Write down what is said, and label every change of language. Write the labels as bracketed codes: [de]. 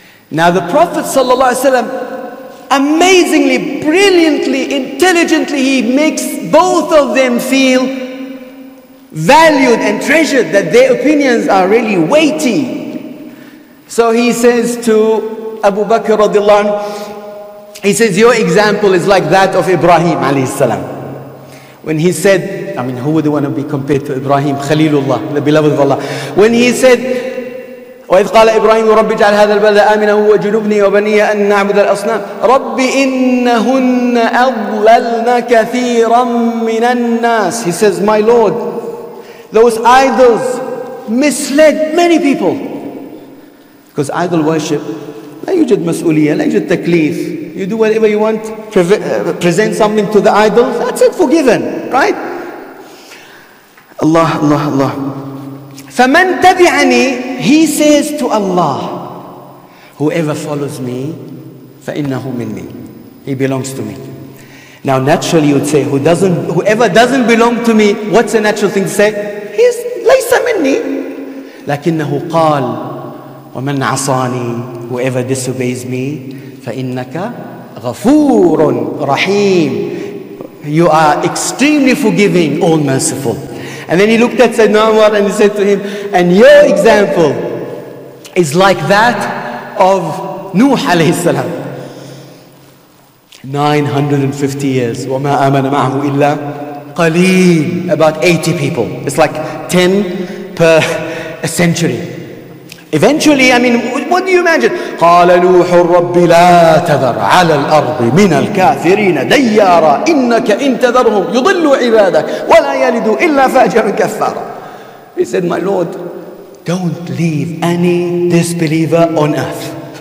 [en] Now the Prophet Sallallahu Alaihi Wasallam, amazingly, brilliantly, intelligently, he makes both of them feel valued and treasured, that their opinions are really weighty. So he says to Abu Bakr radiallahu anhu, he says, your example is like that of Ibrahim alayhi salam. When he said, I mean, who would want to be compared to Ibrahim? Khalilullah, the beloved of Allah. When he said, [ar] وَإِذْ قَالَ إِبْرَاهِيمُ رَبِّ اجْعَلْ هَذَا الْبَلَدَ آمِنًا وَاجْنُبْنِي وَبَنِيَّ أَن نَّعْبُدَ الْأَصْنَامَ رَبِّ إِنَّهُنَّ أَضْلَلْنَ كَثِيرًا مِّنَ النَّاسِ. [en] He says, my Lord, those idols misled many people. Because idol worship, [ar] لا يوجد مسؤولية, لا يوجد تكليف. [en] You do whatever you want, present something to the idols, that's it, forgiven, right? Allah, Allah, Allah. [ar] فَمَنْ تَبِعَنِي, [en] he says to Allah, whoever follows me, [ar] فَإِنَّهُ مِنِّي, [en] he belongs to me. Now naturally you'd say, whoever doesn't belong to me, what's a natural thing to say? He's [ar] لَيْسَ مِنِّي. لَكِنَّهُ قَالْ وَمَنْ عَصَانِي, [en] whoever disobeys me, [ar] فَإِنَّكَ غَفُورٌ رَحِيمٌ, [en] you are extremely forgiving, all merciful. And then he looked at Sayyidina Umar and he said to him, and your example is like that of Nuh alayhi salam. 950 years. وَمَا آمَنَ مَعْهُ إِلَّا قَلِيلٌ, about 80 people. It's like 10 per a century. Eventually, I mean, what do you imagine? [ar] قَالَ نُوحُ الرَّبِّ لَا تَذَرْ عَلَى الْأَرْضِ مِنَ الْكَافِرِينَ دَيَّارًا إِنَّكَ إِنْ تَذَرْهُمْ يُضِلُّ عِبَادَكَ وَلَا يَلِدُوا إِلَّا فَاجِرًا كَفَّارًا. [en] He said, my Lord, don't leave any disbeliever on earth.